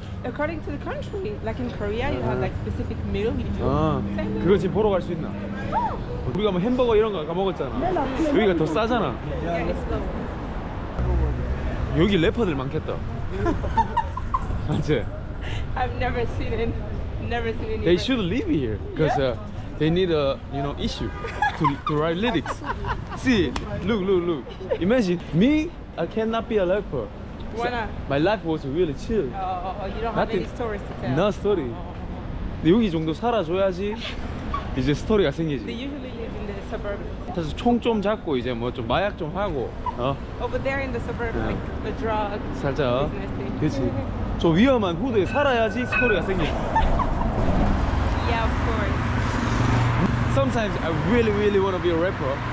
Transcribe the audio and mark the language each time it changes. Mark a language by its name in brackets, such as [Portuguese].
[English] According to the country, like in Korea, you have like specific meal you do. [Korean] 그거 지금 보러 갈 수 있나? 우리가 뭐 햄버거 이런 거 아까 먹었잖아. 여기가 더 싸잖아. [English] Yeah, it's low. [Korean] 여기 래퍼들 많겠다. 맞지? [English] I've never seen any. They should live here. Because they need a, you know, issue to write lyrics. See, look. Imagine me, I cannot be a rapper. Why not? So my life was really chill. You don't have any stories to tell. No story. [Korean] 근데 여기 정도 살아줘야지 이제 스토리가 생기지. [English] They usually live in the suburbs. [Korean] 그래서 총 좀 잡고 이제 뭐 좀 마약 좀 하고. [English] Over there in the suburbs, yeah. Like the drug. [Korean] 살짝. 그렇지. 저 위험한 후드에 살아야지 스토리가 생기지. [English] Yeah, of course. Sometimes I really, really want to be a rapper.